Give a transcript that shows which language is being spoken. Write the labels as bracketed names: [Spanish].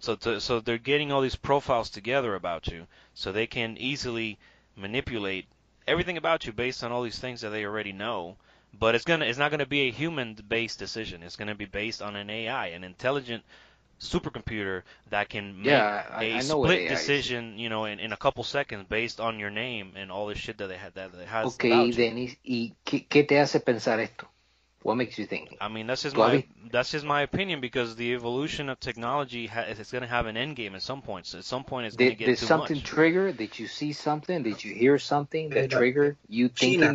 [English] So they're getting all these profiles together about you, so they can easily manipulate everything about you based on all these things that they already know. But it's not gonna be a human based decision. It's gonna be based on an AI, an intelligent supercomputer that can split decision, you know, in a couple seconds based on your name and all the shit that they had that they have. [Spanish] Okay, Dennis, ¿y qué te hace pensar esto? [English] What makes you think? I mean, that's just my opinion, because the evolution of technology is going to have an end game at some point. So at some point, it's going to get too much. Did something trigger? Did you see something? Did you hear something that triggered you thinking China.